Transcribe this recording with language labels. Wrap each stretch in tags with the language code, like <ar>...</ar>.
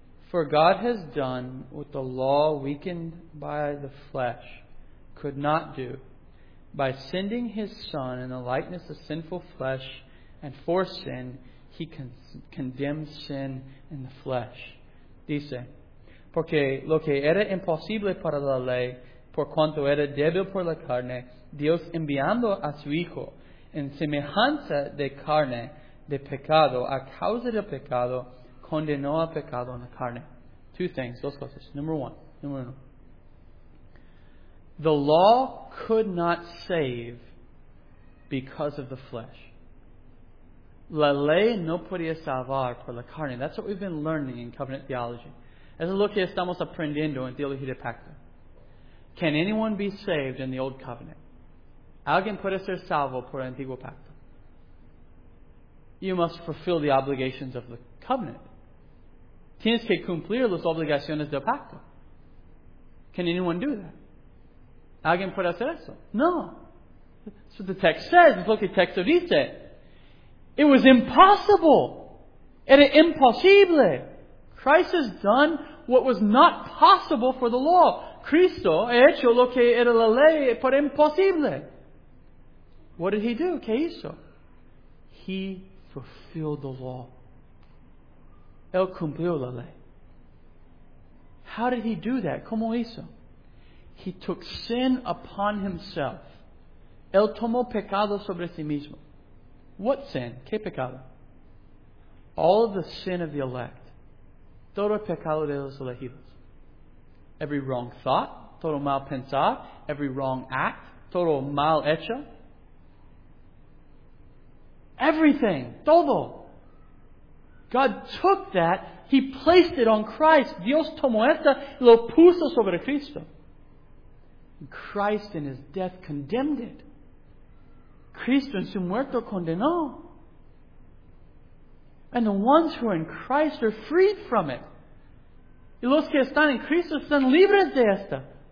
<en>For God has done what the law weakened by the flesh could not do. By sending His Son in the likeness of sinful flesh and for sin, He condemned sin in the flesh.</en> <es>Dice, porque lo que era imposible para la ley, por cuanto era débil por la carne, Dios enviando a su Hijo en semejanza de carne, de pecado, a causa del pecado, condenó al pecado en la carne.</es> <en>Two things,</en> <es>dos cosas.</es> <en>Number one. The law could not save because of the flesh.</en> <es>La ley no podía salvar por la carne.</es> <en>That's what we've been learning in covenant theology.</en> <es>Eso es lo que estamos aprendiendo en teología de pacto.</es> <en>Can anyone be saved in the old covenant?</en> <es>¿Alguien puede ser salvo por el antiguo pacto?</es> <en>you must fulfill the obligations of the covenant.</en> <es>Tienes que cumplir las obligaciones del pacto.</es> <en>Can anyone do that?</en> <es>¿Alguien puede hacer eso? No.</es> <en>That's what the text says. It's what the text dice. It was impossible.</en> <es>Era imposible.</es> <en>Christ has done what was not possible for the law.</en> <es>Cristo ha hecho lo que era la ley, pero imposible.</es> <en>What did he do?</en> <es>¿Qué hizo?</es> <en>He fulfilled the law.</en> <es>Él cumplió la ley.</es> <en>How did he do that?</en> <es>¿Cómo hizo?</es> <en>He took sin upon himself.</en> <es>Él tomó pecado sobre sí mismo.</es> <en>What sin?</en> <es>¿Qué pecado?</es> <en>All of the sin of the elect.</en> <es>Todo pecado de los elegidos.</es> <en>Every wrong thought.</en> <es>Todo mal pensar.</es> <en>Every wrong act.</en> <es>Todo mal hecho.</es> <en>Everything.</en> <es>Todo.</es> <en>God took that. He placed it on Christ.</en> <es>Dios tomó esto y lo puso sobre Cristo. And Christ in his death condemned it. Cristo en su muerto condenó.</es> <en>And the ones who are in Christ are freed from it.</en> <es>Y los que están en Cristo están libres de esto.</es>